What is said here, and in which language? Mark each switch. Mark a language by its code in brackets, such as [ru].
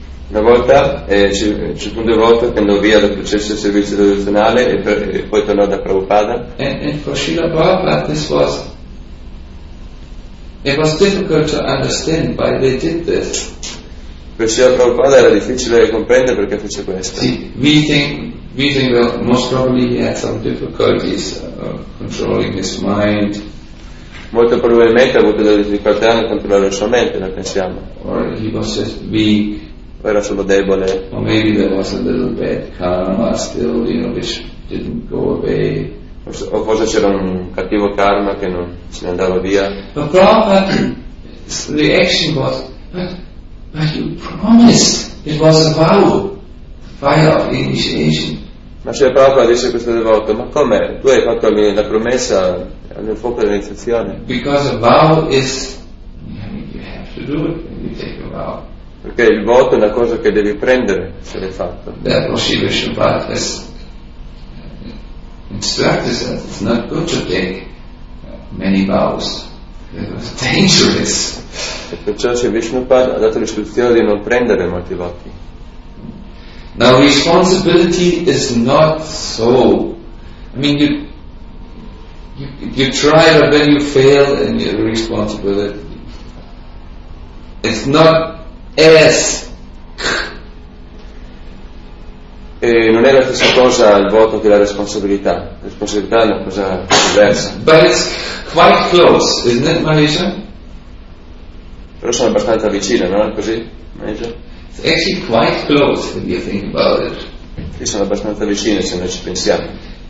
[it] Una volta ci fu un devoto che andò via dal processo di servizio tradizionale e poi tornò da Prabhupada. [en] And for Srila Prabhupada this was it was difficult to understand why they did this. [it] Per Srila Prabhupada era difficile comprendere perché fece questo. [en] See, we think that most probably he had some difficulties controlling his mind. [it] Molto probabilmente ha avuto delle difficoltà a controllare la sua mente, la pensiamo. [en] Or he was just weak. [it] Era solo debole. [en] Or maybe there was a little bad karma still, you know, which didn't go away. [it] O forse c'era un cattivo karma che non se ne andava via. [en] The Prabhupada's reaction was, but you promised it was a vow, fire of initiation. [it] Ma se Prabhupada dice questo devoto, ma com'è? Tu hai fatto la promessa al mio fuoco dell'iniziazione. [en] Because a vow is, you have to do it when you take a vow. [it] Perché il voto è una cosa che devi prendere se l'hai fatto. E perciò Sri Vishnupada ha dato l'istruzione di non prendere molti voti. [en] Now responsibility is not so. I mean you try but then you fail and your responsibility. It's not S. [it] Non è la stessa cosa il voto che la responsabilità. La responsabilità è una cosa diversa. [en] But it's quite close, isn't it, Manisha? [it] Però sono abbastanza vicine, non è così, Manisha? [en] It's actually quite close if you think about it. [it] Sì, sono abbastanza vicine se noi ci pensiamo.